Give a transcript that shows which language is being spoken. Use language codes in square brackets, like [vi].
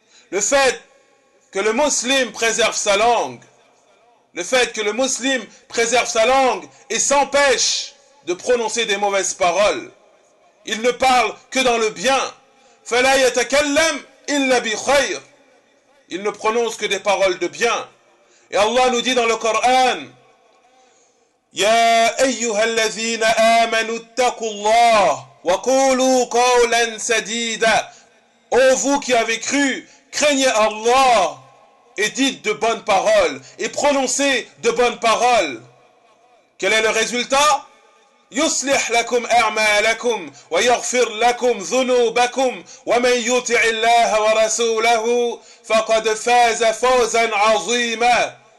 [fr] Le fait que le musulman préserve sa langue, le fait que le musulman préserve sa langue et s'empêche de prononcer des mauvaises paroles, il ne parle que dans le bien. [ar] فَلَا يَتَكَلَّمْ إِلَّا بِخَيْرٍ. [fr] Il ne prononce que des paroles de bien. Et Allah nous dit dans le Coran, [ar] يَا أَيُّهَا الَّذِينَ آمَنُوا اتَّقُوا اللَّهُ وَقُولُوا قَوْلًا سَدِيدًا. [fr] Ô vous qui avez cru, craignez Allah et dites de bonnes paroles et prononcez de bonnes paroles. Quel est le résultat? [ar] يُصْلِحْ لَكُمْ أَعْمَالَكُمْ وَيَغْفِرْ لَكُمْ ذُنُوبَكُمْ وَمَنْ يُطِعِ اللَّهَ وَرَسُولَهُ فَقَدْ فَازَ فَوْزًا عَظِيمًا.